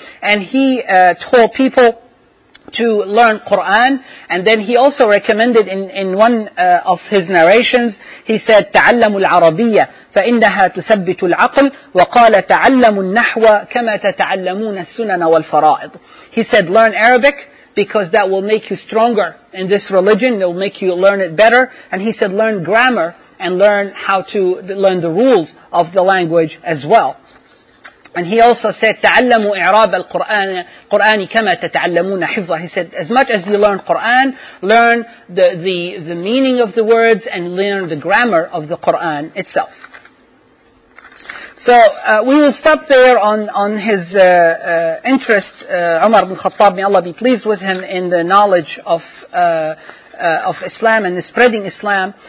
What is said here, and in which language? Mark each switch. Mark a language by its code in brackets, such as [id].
[en] And he told people to learn Quran, and then he also recommended in one of his narrations, he said, [ar] تعلم العربية فإنها تثبت العقل وقال تعلم النحو كما تتعلمون السنن والفرائض. [en] He said, learn Arabic because that will make you stronger in this religion, it will make you learn it better. And he said, learn grammar and learn how to learn the rules of the language as well. And he also said, [ar] تَعَلَّمُوا إِعْرَابَ الْقُرْآنِ كَمَا تَتَعَلَّمُونَ حِفْظًا. [en] He said, as much as you learn Qur'an, learn the meaning of the words and learn the grammar of the Qur'an itself. So we will stop there on his interest, Umar ibn Khattab, may Allah be pleased with him, in the knowledge of Islam and the spreading Islam.